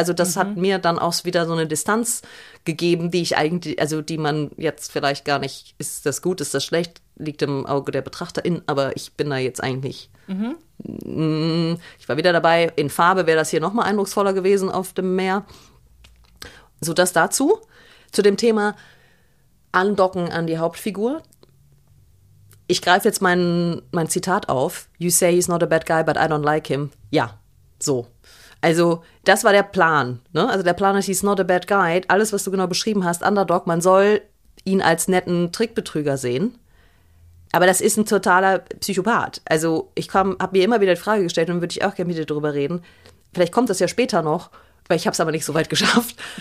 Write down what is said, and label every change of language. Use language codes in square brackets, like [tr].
[de] Also das hat mir dann auch wieder so eine Distanz gegeben, die ich eigentlich, also die man jetzt vielleicht gar nicht, ist das gut, ist das schlecht, liegt im Auge der BetrachterIn, aber ich bin da jetzt eigentlich ich war wieder dabei, in Farbe wäre das hier nochmal eindrucksvoller gewesen auf dem Meer. So, das dazu, zu dem Thema Andocken an die Hauptfigur. Ich greife jetzt mein Zitat auf. [en] You say he's not a bad guy, but I don't like him. [de] Ja, so. Also, das war der Plan. Ne? Also, der Plan ist, [en] he's not a bad guy. [de] Alles, was du genau beschrieben hast, Underdog, man soll ihn als netten Trickbetrüger sehen. Aber das ist ein totaler Psychopath. Also ich habe mir immer wieder die Frage gestellt und würde ich auch gerne mit dir drüber reden. Vielleicht kommt das ja später noch, weil ich habe es aber nicht so weit geschafft.